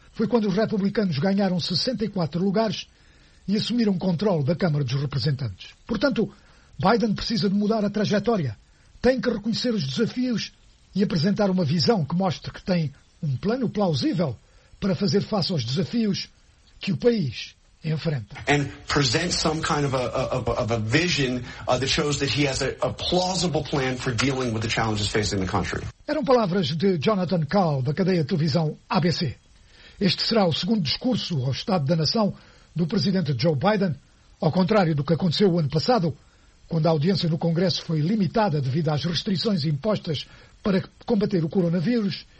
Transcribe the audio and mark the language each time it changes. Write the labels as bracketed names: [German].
[Portuguese] Foi quando os republicanos ganharam 64 lugares e assumiram controle da Câmara dos Representantes. Portanto, Biden precisa de mudar a trajetória. Tem que reconhecer os desafios e apresentar uma visão que mostre que tem um plano plausível para fazer face aos desafios que o país enfrenta. [English] And present some kind of a vision that shows that he has a plausible plan for dealing with the challenges facing the country. [Portuguese] Eram palavras de Jonathan Cowell, da cadeia de televisão ABC. Este será o segundo discurso ao Estado da Nação do presidente Joe Biden, ao contrário do que aconteceu o ano passado, quando a audiência no Congresso foi limitada devido às restrições impostas para combater o coronavírus.